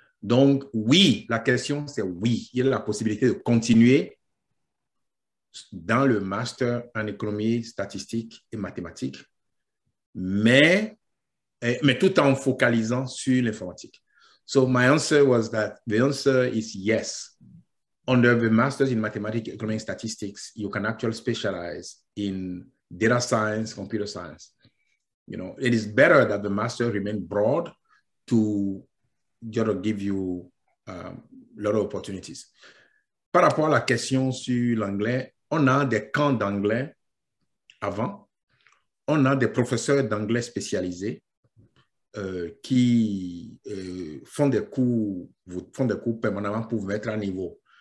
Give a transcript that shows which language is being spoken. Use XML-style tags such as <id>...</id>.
<fr>Donc, oui, la question, c'est oui. Il y a la possibilité de continuer dans le master en économie, statistique et mathématiques, mais tout en focalisant sur l'informatique.</fr> <en>So my answer was that the answer is yes. Under the master's in mathematics, economic statistics, you can actually specialize in data science, computer science. You know, it is better that the master remain broad to just give you a lot of opportunities.</en> <fr>Par rapport à la question sur l'anglais, on a des camps d'anglais avant. On a des professeurs d'anglais spécialisés. Qui font des cours permanemment pour vous mettre à niveau.</fr>